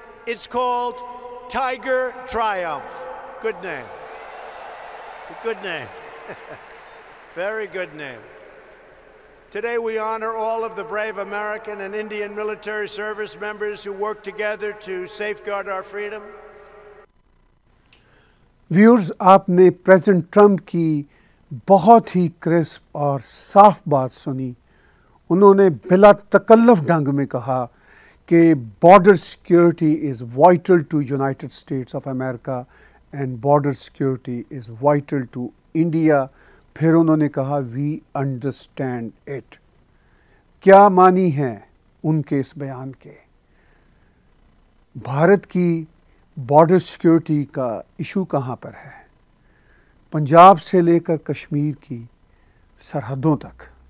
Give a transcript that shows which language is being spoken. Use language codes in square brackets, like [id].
[en] It's called Tiger Triumph. Good name. It's a good name. Very good name. Today we honor all of the brave American and Indian military service members who work together to safeguard our freedom. [hi] Viewers, आपने President Trump की बहुत ही crisp और साफ बात सुनी। उन्होंने बिला तकल्लुफ ढंग में कहा कि [en] border security is vital to [hi] United States of America and border security is vital to India. फिर उन्होंने कहा [en] We understand it. [hi] क्या मानी है उनके इस बयान के? भारत की बॉर्डर सिक्योरिटी का इशू कहाँ पर है, पंजाब से लेकर कश्मीर की सरहदों तक?